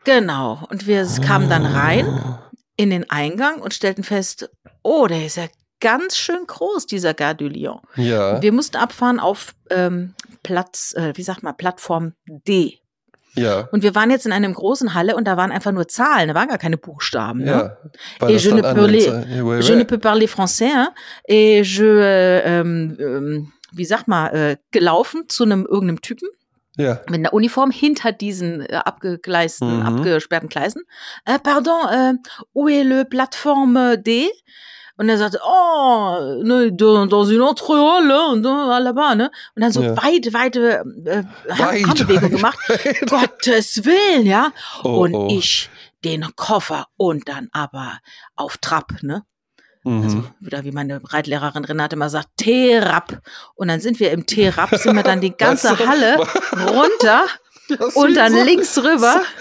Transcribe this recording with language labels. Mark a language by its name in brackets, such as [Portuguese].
[German] Genau, und wir kamen dann rein in den Eingang und stellten fest, oh, der ist ja ganz schön groß, dieser Gare du Lyon. Ja. Wir mussten abfahren auf Plattform D. Ja. Und wir waren jetzt in einem großen Halle und da waren einfach nur Zahlen, da waren gar keine Buchstaben. Ja. Ne? [French] Et je ne peux parler français. Et je, [German] gelaufen zu einem irgendeinem Typen. Ja. Mit einer Uniform hinter diesen abgesperrten Gleisen. [French] Pardon, où est le plateforme D? [German] Und er sagte, [French] dans une autre halle, là-bas, ne? [German] Und dann so weit Handbewegung gemacht. Gottes Willen, ja? Oh, und oh. Ich den Koffer und dann aber auf Trab, ne? Also wieder wie meine Reitlehrerin Renate immer sagt, T-Rap. Und dann sind wir im T-Rap, sind wir dann die ganze Halle runter und dann links rüber.